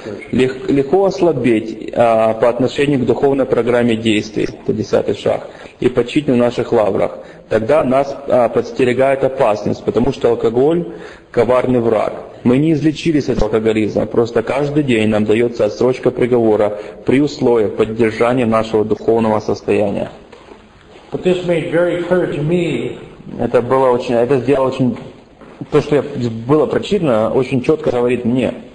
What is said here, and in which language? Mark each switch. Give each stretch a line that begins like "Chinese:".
Russian: Легко ослабеть по отношению к духовной программе действий, это десятый шаг, и почить на наших лаврах. Тогда нас подстерегает опасность, потому что алкоголь – коварный враг. Мы не излечились от алкоголизма, просто каждый день нам дается отсрочка приговора при условии поддержания нашего духовного состояния.
English: But this made very clear to me.
Russian: Это было очень, это сделало очень... То, что было прочитано, очень четко говорит мне.